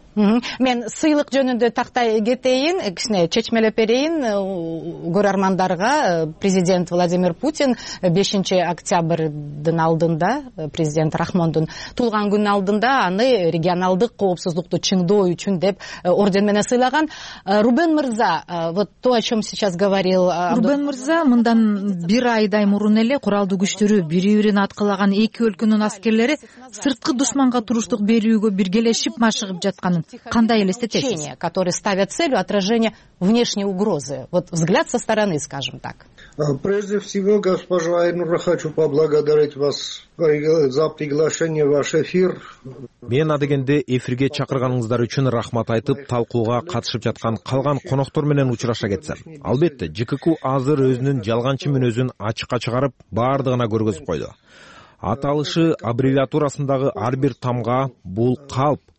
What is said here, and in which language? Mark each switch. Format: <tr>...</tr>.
<ky>Мен сыйлык жөнүндө тактай кетейин, кичине чечмелеп берейин көрөрмандарга. Президент Владимир Путин 5 октябрдын алдында, президент Рахмондун туулган күнүнүн алдында аны регионалдык коопсуздукту чыңдоо үчүн деп орден менен сыйлаган.</ky> <ru>Рубен мырза, вот то, о чем сейчас говорил</ru> <ky>Рубен мырза, мындан бир айдай мурун эле куралдуу күчтөрү бири бирин аткылаган эки өлкөнүн аскерлери сырткы душманга туруштук берүүгө биргелешип машыгып жаткан. Кандай элестетесиз?</ky> <ru>Которые ставят целью отражения внешней угрозы. Вот взгляд со стороны, скажем так. Прежде всего, госпожа Айнура, хочу поблагодарить вас за приглашение в ваш эфир.</ru> <ky>Мен адегенде эфирге чакырганыңыздар үчүн рахмат айтып, талкууга катышып жаткан калган коноктор менен учураша кетсем. Албетте, ЖКК азыр өзүнүн жалганчы мүнөзүн ачыкка чыгарып, баардыгына көргөзүп койду. Аталышы аббревиатурасындагы ар бир тамга бул калп.</ky>